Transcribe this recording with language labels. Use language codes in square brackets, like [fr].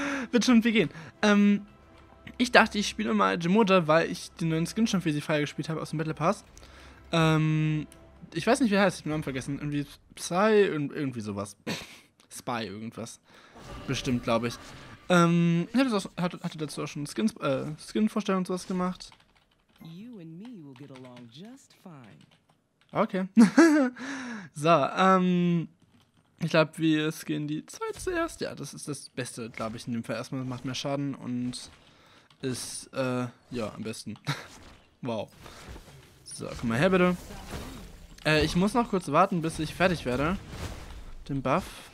[de] Wird schon irgendwie gehen. Ich dachte, ich spiele mal Jemoja, weil ich den neuen Skin schon für sie freigespielt habe aus dem Battle Pass. Ich weiß nicht, wie er heißt, ich habe den Namen vergessen. Irgendwie Psy, irgendwie sowas. Spy, irgendwas. Bestimmt, glaube ich. Hatte dazu auch schon Skin-Vorstellung und sowas gemacht. [en] You and me will get along just fine. Okay. [de] So, ich glaube, wir skinnen die zwei zuerst. Ja, das ist das Beste, glaube ich, in dem Fall. Erstmal macht mehr Schaden und ist, ja, am besten. Wow. So, komm mal her, bitte. Ich muss noch kurz warten, bis ich fertig werde. Den Buff.